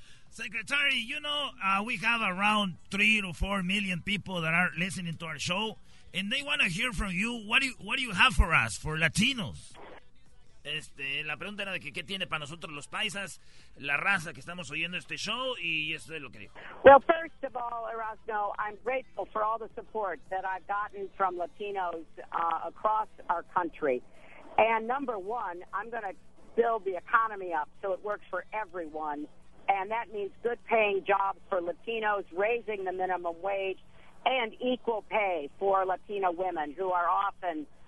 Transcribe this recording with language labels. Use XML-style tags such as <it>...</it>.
<en>Secretary, you know, we have around 3 to 4 million people that are listening to our show. And they want to hear from you. What do you have for us, for Latinos?</en> <es>La pregunta era de que qué tiene para nosotros los paisas, la raza que estamos oyendo este show, y eso es lo que dijo.</es> <en>Well, first of all, Erasmo, I'm grateful for all the support that I've gotten from Latinos across our country. And number one, I'm going to build the economy up so it works for everyone. And that means good paying jobs for Latinos, raising the minimum wage, and equal pay for Latino women who are often...</en>